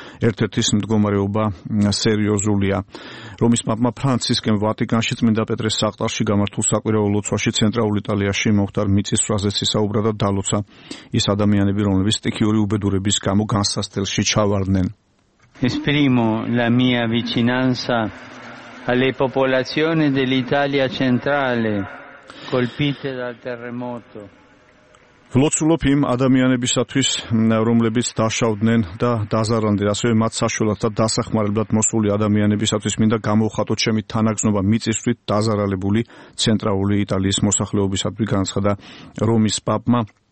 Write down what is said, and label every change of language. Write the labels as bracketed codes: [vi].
[ka] ერთ-ერთის მდგომარეობა სერიოზულია. რომის პაპმა ფრანცისკემ ვატიკანში წმინდა პეტრეს საყდარში გამართულ საკვირაო ლოცვაში ცენტრალურ იტალიაში მომხდარ მიწისძვრაზეც ისაუბრა და დალოცა ის ადამიანები, რომლებიც სტიქიური უბედურების გამო განსასტელში ჩავარდნენ. [it] Esprimo la mia vicinanza alle popolazioni dell'Italia centrale colpite dal terremoto. [ka] ვლოცულობ იმ ადამიანებისათვის, რომლებიც დაშავდნენ და დაზარალდნენ, ასევე მათ საშველად და დასახმარებლად მოსული ადამიანებისათვის მინდა გამოვხატოთ ჩემი თანაგზნობა მიწისძვრით დაზარალებული ცენტრალური იტალიის მოსახლეობისათვის, განაცხადა რომის პაპმა.